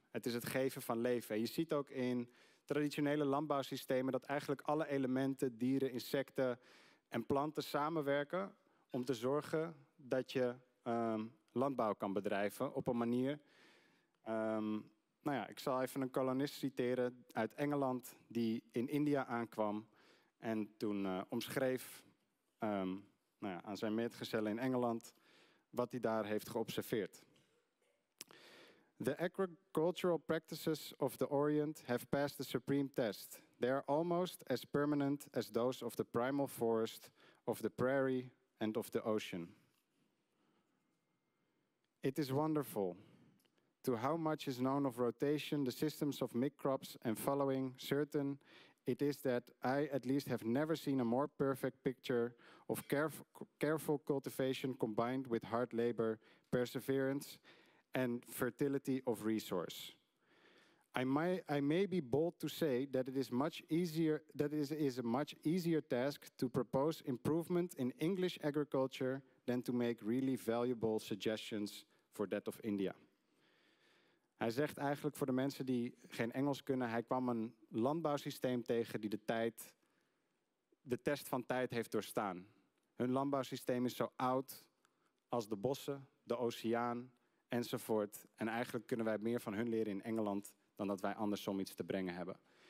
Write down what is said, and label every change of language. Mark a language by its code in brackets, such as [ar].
[nl] Het is het geven van leven. En je ziet ook in traditionele landbouwsystemen dat eigenlijk alle elementen, dieren, insecten en planten samenwerken om te zorgen dat je landbouw kan bedrijven op een manier. Ik zal even een kolonist citeren uit Engeland die in India aankwam en toen omschreef aan zijn metgezellen in Engeland wat hij daar heeft geobserveerd. [en] The agricultural practices of the Orient have passed the supreme test. They are almost as permanent as those of the primal forest, of the prairie and of the ocean. It is wonderful to how much is known of rotation, the systems of microbes and following. Certain it is that I at least have never seen a more perfect picture of careful cultivation combined with hard labor, perseverance and fertility of resource. I may be bold to say that it is much easier, that it is a much easier task to propose improvement in English agriculture than to make really valuable suggestions for that of India. [nl] Hij zegt eigenlijk voor de mensen die geen Engels kunnen, hij kwam een landbouwsysteem tegen die de test van tijd heeft doorstaan. Hun landbouwsysteem is zo oud als de bossen, de oceaan enzovoort. En eigenlijk kunnen wij meer van hun leren in Engeland dan dat wij andersom iets te brengen hebben.